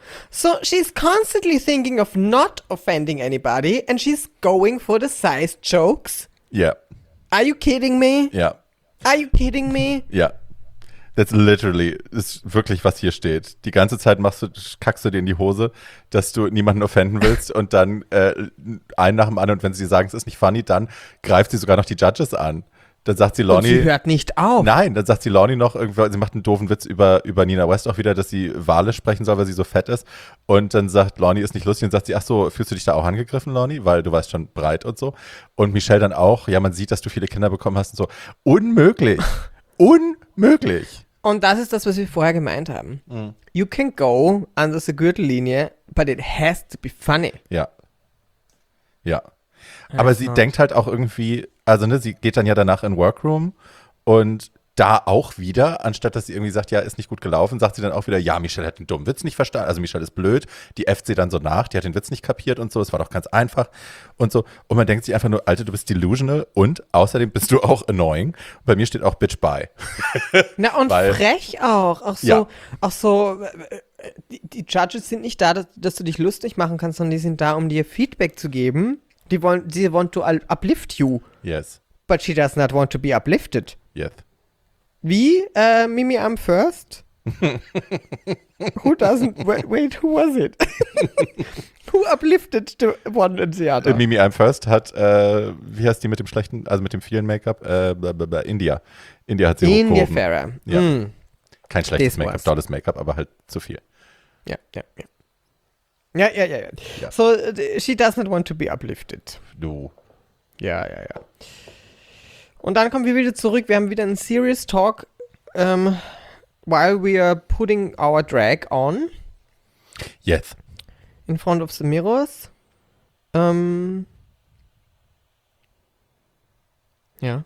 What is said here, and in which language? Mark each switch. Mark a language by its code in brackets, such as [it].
[en] So she's constantly thinking of not offending anybody and she's going for the size jokes? Yeah. Are you kidding me? Yeah. Are you kidding me? Yeah. That's literally, [de] ist wirklich, was hier steht. Die ganze Zeit kackst du dir in die Hose, dass du niemanden offenden willst und dann einen nach dem anderen und wenn sie sagen, es ist nicht funny, dann greift sie sogar noch die Judges an. Dann sagt sie Lonnie. Und sie hört nicht auf. Nein, dann sagt sie Lonnie noch irgendwie, sie macht einen doofen Witz über Nina West auch wieder, dass sie Wale sprechen soll, weil sie so fett ist. Und dann sagt Lonnie, ist nicht lustig. Und sagt sie, ach so, fühlst du dich da auch angegriffen, Lonnie? Weil du warst schon breit und so. Und Michelle dann auch, ja, man sieht, dass du viele Kinder bekommen hast und so. Unmöglich. Unmöglich. Und das ist das, was wir vorher gemeint haben. Mm. [en] You can go under the Gürtellinie, but it has to be funny. [de] Ja. Ja. Aber sie denkt halt auch irgendwie, also ne, sie geht dann ja danach in Workroom und da auch wieder, anstatt dass sie irgendwie sagt, ja, ist nicht gut gelaufen, sagt sie dann auch wieder, ja, Michelle hat den dummen Witz nicht verstanden, also Michelle ist blöd, die äfft sie dann so nach, die hat den Witz nicht kapiert und so, es war doch ganz einfach und so. Und man denkt sich einfach nur, Alter, du bist delusional und außerdem bist du auch annoying. Bei mir steht auch [en] Bitch bye. [de] Na und weil, frech auch. Auch so, ja. Auch so, die Judges sind nicht da, dass du dich lustig machen kannst, sondern die sind da, um dir Feedback zu geben. [en] Sie want to uplift you. Yes. But she does not want to be uplifted. Yes. Wie? Mimi, I'm first? Wait, who was it? Who uplifted the one in the other? [de] Mimi, I'm first hat, wie heißt die mit dem schlechten, also mit dem vielen Make-up? India. India hat sie hochgehoben. India Farah. Ja. Mm. Kein schlechtes This Make-up, was. Dolles Make-up, aber halt zu viel. Ja, ja, ja. Ja, ja, ja, ja. [en] So, she does not want to be uplifted. No. [de] Ja, ja, ja. Und dann kommen wir wieder zurück. Wir haben wieder einen [en] Serious Talk, while we are putting our drag on. Yes. In front of the mirrors. Ja.